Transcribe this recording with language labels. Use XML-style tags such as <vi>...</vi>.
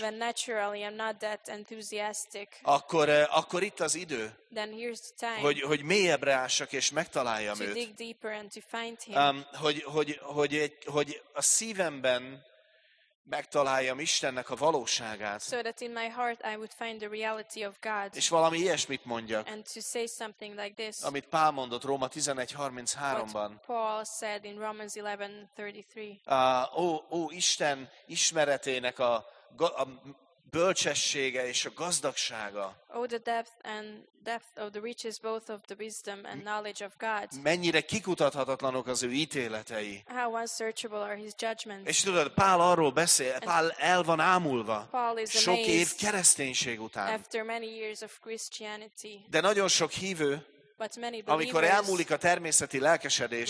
<en>when naturally I'm not that enthusiastic,</en> <hu>akkor itt az idő,</hu> <en>then here's the time,</en> <hu>hogy mélyebbre ássak és megtaláljam</hu> <en>to</en> <hu>őt.</hu> <en>Dig deeper and to find him.</en> <hu>Hogy a szívemben megtaláljam Istennek a valóságát.</hu> <en>So that in my heart I would find the reality of God.</en> <hu>És valami ilyesmit mondjak.</hu> <en>And to say something like this.</en> <hu>Amit Pál mondott Róma 11:33-ban.</hu> <en>What Paul said in Romans 11:33.</en> <hu>Isten ismeretének a bölcsessége és a gazdagsága.</hu> <en>Oh, the depth and depth of the riches both of the wisdom and knowledge of God.</en> <hu>Mennyire kikutathatatlanok az ő ítéletei.</hu> <en>How unsearchable are his judgments.</en> <hu>És tudod, Pál arról beszél, Pál el van ámulva.</hu> <en>Paul is amazed.</en> <hu>Sok év kereszténység után.</hu> <en>After many years of Christianity.</en> <hu>De nagyon sok hívő,</hu> <en>but many believers,</en> <hu>amikor elmúlik a természeti lelkesedés,</hu>